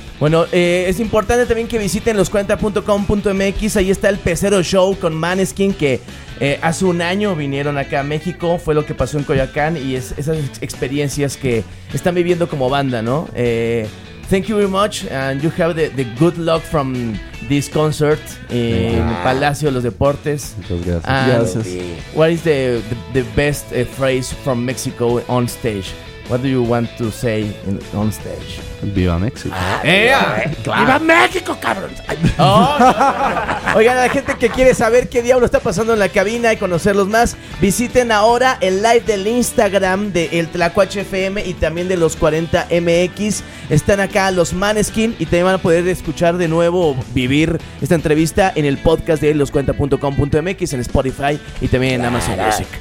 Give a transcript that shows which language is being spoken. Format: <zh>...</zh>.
<es>Bueno, es importante también que visiten los40.com.mx. Ahí está el Pecero Show con Maneskin, que hace un año vinieron acá a México. Fue lo que pasó en Coyoacán y esas experiencias que están viviendo como banda, ¿no?</es> <en>Thank you very much and you have the good luck from this concert in Palacio de los Deportes.</en> <es>Gracias.</es> <en>What is the best phrase from Mexico on stage? What do you want to say on stage?</en> <es>¡Viva México! ¡Viva México, cabrón! Oigan, a la gente que quiere saber qué diablo está pasando en la cabina y conocerlos más, visiten ahora el live del Instagram de El Tlacuache FM y también de Los 40 MX. Están acá los Maneskin y también van a poder escuchar de nuevo o vivir esta entrevista en el podcast de los40.com.mx, en Spotify y también en Amazon Music.</es>